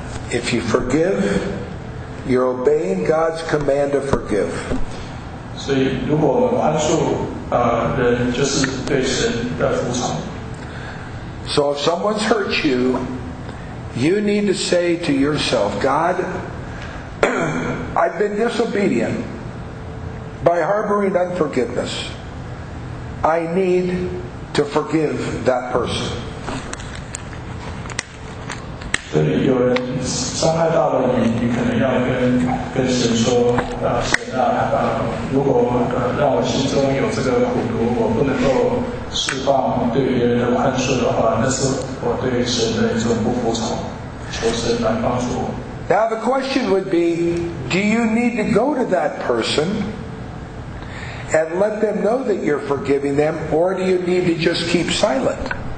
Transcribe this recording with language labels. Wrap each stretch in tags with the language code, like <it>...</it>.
<en>If you forgive, you're obeying God's command to forgive.</en> <zh>所以如果我们宽恕人就是对神的服从。</zh> <en>So if someone's hurt you, you need to say to yourself, God, I've been disobedient by harboring unforgiveness. I need to forgive that person.</en> <zh>所以有人伤害到了你，你可能要跟神说，神啊，如果让我心中有这个苦毒，我不能够释放对别人的宽恕的话，那是我对神的一种不服从，求神来帮助我。</zh> <en>Now the question would be, do you need to go to that person and let them know that you're forgiving them, or do you need to just keep silent?</en>